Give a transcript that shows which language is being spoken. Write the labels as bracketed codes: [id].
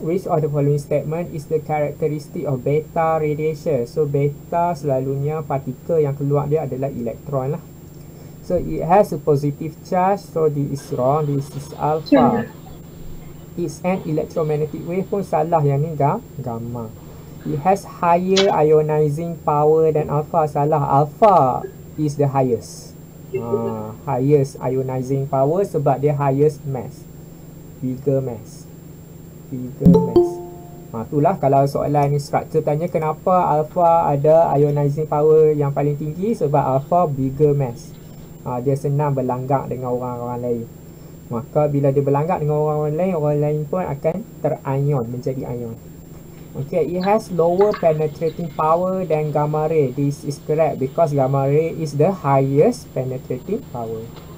[en] Which of the following statement is the characteristic of beta radiation? [ms] So beta selalunya partikel yang keluar dia adalah elektron lah. [en] So it has a positive charge, so this is wrong, this is alpha. It's an electromagnetic wave [ms] pun salah, yang ni gamma. [en] It has higher ionizing power than alpha, [ms] salah. [en] Alpha is the highest. Highest ionizing power [ms] sebab dia [en] highest mass. Bigger mass. [ms] Itulah kalau soalan ni structure tanya kenapa alpha ada ionizing power yang paling tinggi, sebab alpha [en] bigger mass. [ms] Dia senang berlanggar dengan orang-orang lain. Maka bila dia berlanggar dengan orang-orang lain, orang lain pun akan terion, menjadi ion. [en] Okay, it has lower penetrating power than gamma ray. This is correct because gamma ray is the highest penetrating power.